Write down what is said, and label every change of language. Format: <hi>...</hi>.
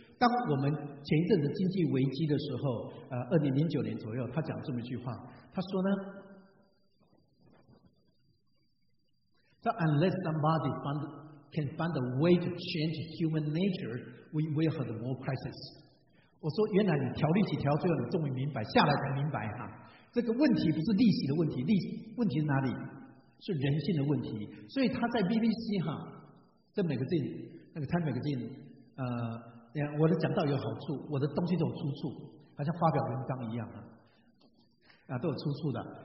<zh>当我们前一阵子经济危机的时候，2009年左右，他讲这么一句话，他说呢。</zh> <en>So unless somebody can find a way to change human nature, we will have more crisis.</en> <zh>我说原来你调利息调最后你终于明白，下来才明白哈，这个问题不是利息的问题，问题是哪里？是人性的问题。所以他在 BBC 哈，在每个镜那个 Time Magazine， 我的讲道有好处，我的东西都有出处，好像发表文章一样哈，都有出处的。</zh>